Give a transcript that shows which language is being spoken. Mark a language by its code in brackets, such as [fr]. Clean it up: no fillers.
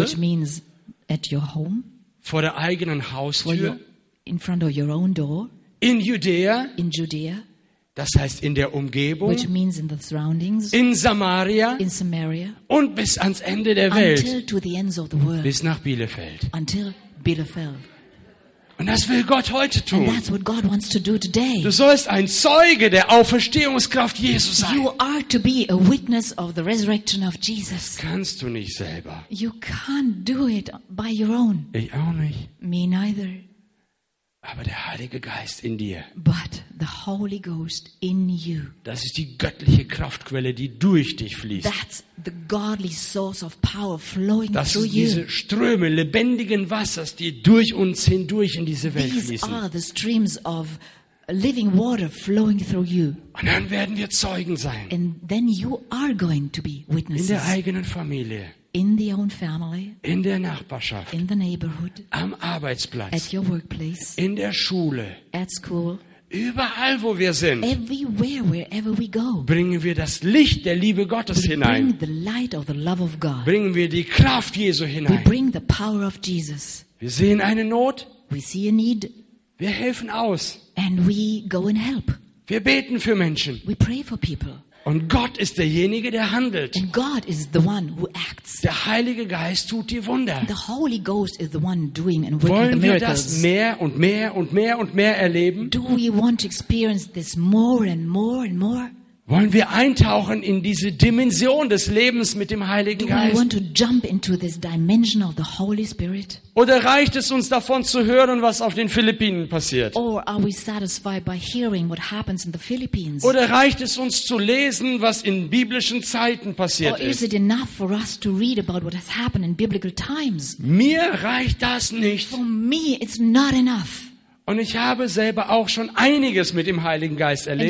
[en] Which means at your home. [de] Vor der eigenen Haustür. [en] In front of your own door. [de] In Judäa, [en] in Judea, [de] das heißt in der Umgebung, [en] which means in the surroundings, [de] in Samaria, [en] in Samaria, [de] und bis ans Ende der Welt, [en] until to the ends of the world, [de] bis nach Bielefeld. [en] Until Bielefeld. [de] Und das will Gott heute tun. [en] And that's what God wants to do today. [de] Du sollst ein Zeuge der Auferstehungskraft Jesu sein. [en] You are to be a witness of the resurrection of Jesus. [de] Das kannst du nicht selber. [en] You can't do it by your own. [de] Ich auch nicht. [en] Me neither. [de] Aber der Heilige Geist in dir. [en] But the Holy Ghost in you. [de] Das ist die göttliche Kraftquelle, die durch dich fließt. [en] That's the godly source of power flowing [de] Das sind diese Ströme lebendigen Wassers, die durch uns hindurch in diese Welt fließen. [en] These are the streams of living water flowing through you. [de] Und dann werden wir Zeugen sein. [en] And then you are going to be witnesses. [de] In der eigenen Familie. [en] In the own family, [de] in der Nachbarschaft, [en] in the neighborhood, [de] am Arbeitsplatz, [en] at your workplace, [de] in der Schule, [en] at school, [de] überall wo wir sind, [en] everywhere, wherever we go, [de] bringen wir das Licht der Liebe Gottes hinein, [en] bring the light of the love of God, [de] bringen wir die Kraft Jesu hinein, [en] we bring the power of Jesus, [de] wir sehen eine Not, [en] we see a need, [de] wir helfen aus, [en] and we go and help, [de] wir beten für Menschen, [en] we pray for people. [de] Und Gott ist derjenige, der handelt. [en] And God is the one who acts. [de] Der Heilige Geist tut die Wunder. [en] The Holy Ghost is the one doing and working the miracles. [de] Wollen wir das mehr und mehr und mehr und mehr erleben? [en] Do we want to experience this more and more and more? [de] Wollen wir eintauchen in diese Dimension des Lebens mit dem Heiligen Geist? [en] Do we want to jump into this dimension of the Holy Spirit? [de] Oder reicht es uns davon zu hören, was auf den Philippinen passiert? [en] Or are we satisfied by hearing what happens in the Philippines? [de] Oder reicht es uns zu lesen, was in biblischen Zeiten passiert ist? [en] Or is it enough for us to read about what has happened in biblical times? [de] Mir reicht das nicht. [en] For me it's not enough. [de] Und ich habe selber auch schon einiges mit dem Heiligen Geist erlebt.